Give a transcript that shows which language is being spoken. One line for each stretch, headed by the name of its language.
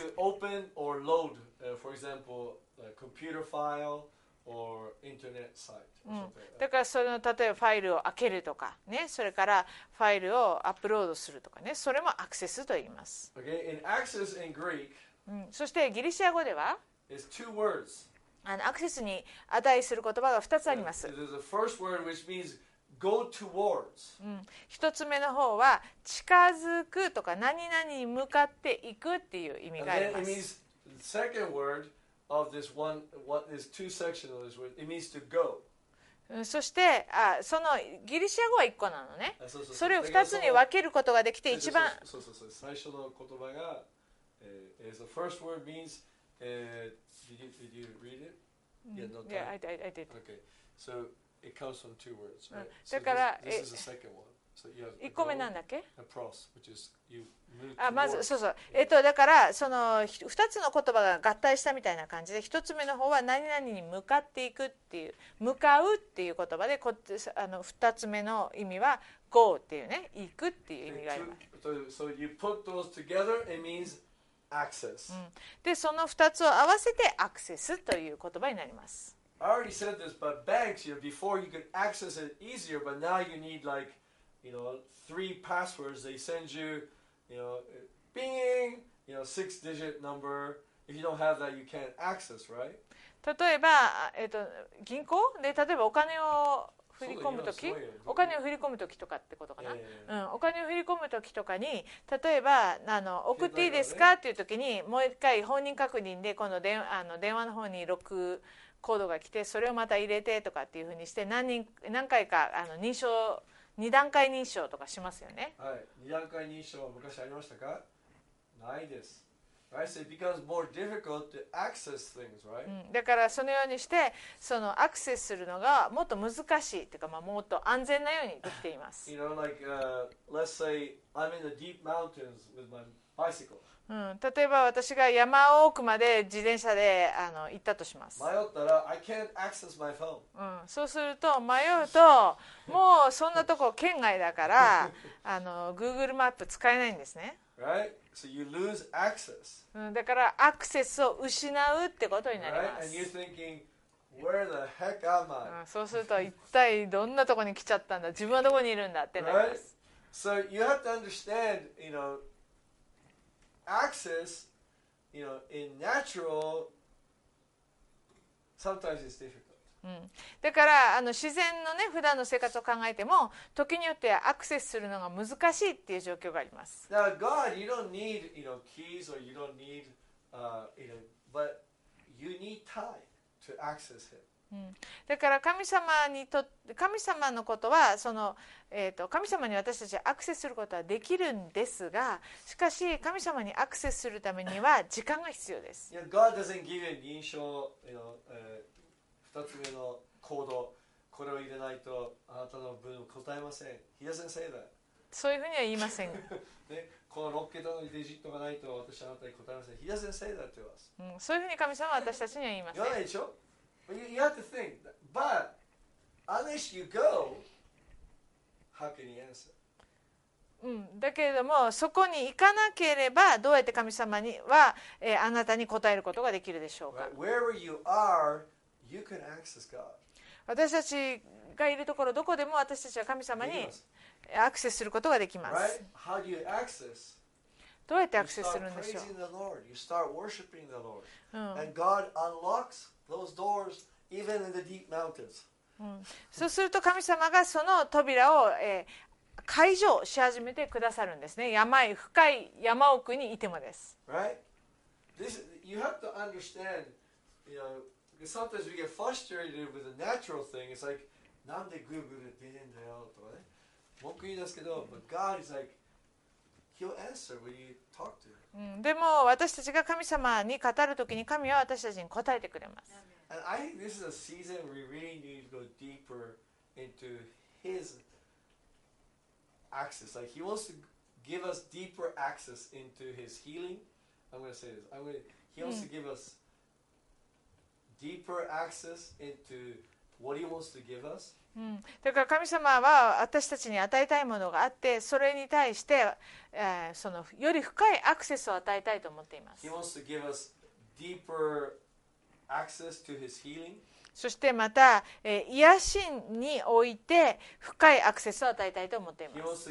English: To open or load, for example,computer file or internet site.
Japanese: だからその例えばファイルを開けるとかね、それからファイルをアップロードするとかね、それもアクセスと言います。
English: Okay, in access in Greek.
Japanese: そしてギリシア語では、
English: is two words.
Japanese: アクセスに値する言葉が2つあります。
English: There's a first word which means go towards.
Japanese: 一つ目の方は近づくとか何々に向かっていくっていう意味があります。
English: And then it means the second word. Of this one, what is two sections of this word? It means to go.
Japanese: そしてそのギリシア語は一個なのね。それを二つに分けることができて一番。そう最初の言葉が、
English: is the first word means. Did you read it? Yeah, no. Yeah, I did. Okay, so it comes from two words. Right?
Japanese: だから、
English: so this is the second one. So you have.
Japanese: 一個目なんだっけ
English: ？Across, which is you.
Japanese: まずそうそう、だからその2つの言葉が合体したみたいな感じで、1つ目の方は何々に向かっていくっていう、向かうっていう言葉で、2つ目の意味は
English: go
Japanese: っていうね、行くっていう意味があります。
English: So you put those together, it means access.
Japanese: でその2つを合わせてアクセスという言葉になります。
English: I already said this, but banks, you know, before you could access it easier, but now you need like you know, three passwords, they send you, you know, bing, you know, six digit number. If you don't have that, you can't access, right?
Japanese: 例えば、銀行で例えばお金を振り込むとき、お金を振り込むときとかってことかな。うん、お金を振り込むときとかに、例えば送っていいですかっていうときに、もう一回本人確認で、この電話の方に録コードが来て、それをまた入れてとかっていうふうにして、何回か認証、二段階認証とかしますよね。はい、二段階認証は昔ありましたか？ないです。
English: Right, so it becomes more difficult to access things, right?
Japanese: だからそのようにして、そのアクセスするのがもっと難しいというか、まあ、もっと安全なようにできています。
English: You know, like, let's say I'm in the deep mountains with my bicycle.
Japanese: 例えば私が山奥まで自転車で行ったとします。迷ったら
English: I can't access my phone.
Japanese: そうすると迷うと、もうそんなとこ圏外だから、Google マップ使えないんですね。
English: Right? So you lose access.
Japanese: だからアクセスを失うってことになります。
English: Right? And you're thinking, where the heck am I?
Japanese: そうすると一体どんなとこに来ちゃったんだ、自分はどこにいるんだってなります。
English: Right? So you have to understand, you know, access, you know, in natural, sometimes it's difficult.
Japanese: だから自然のね、普段の生活を考えても時によってアクセスするのが難しいっていう状況があります。
English: Now God, you don't need, you know, keys or you don't need, you know, but you need time to access him.
Japanese: だから神様のことは神様に私たちアクセスすることはできるんですが、しかし神様にアクセスするためには時間が必要です。
English: You know, God doesn't give you 認証、you know,
Japanese: 2つ目のコード、これを入れないとあなたの分を答えません。
English: He doesn't say that.
Japanese: そういうふうには言いません。ね、この6桁のデジットがないと私はあなたに答えません。
English: He doesn't say that to us.
Japanese: そういうふうに神様は私たちには言いません。言わないでしょ。
English: But you have to think. But unless you go, how can you answer?
Japanese: だけれどもそこに行かなければどうやって神様には、あなたに答えることができるでしょうか。
English: Right. Wherever you are,You can access God.
Japanese: 私たちがいるところどこでも私たちは神様にアクセスすることができます。
English: Right? How do you access?
Japanese: どうやってアクセスするんでしょう。
English: You start praising the Lord. You start worshiping the Lord. And God unlocks those doors even in the deep mountains.
Japanese: そうすると神様がその扉を、解除し始めてくださるんですね。深い山奥にいてもです。
English: Right? This you have to understand, you know. Sometimes we get frustrated with a natural thing. It's like,
Japanese: なんで Google で出てんだよとかね。文句言いますけど、
English: But God is like, He'll answer when you talk to Him.
Japanese: でも私たちが神様に語るときに神は私たちに答えてくれます。
English: And I think this is a season we really need to go deeper into His access. Like He wants to give us deeper access into His healing. I'm going to say this. He wants to give us. Deeper access into what he wants to give us.
Japanese: だから神様は私たちに与えたいものがあって、それに対して、そのより深いアクセスを与えたいと思っています。
English: He wants to give us deeper access to his healing.
Japanese: そしてまた、癒しにおいて深いアクセスを与えたいと思っています。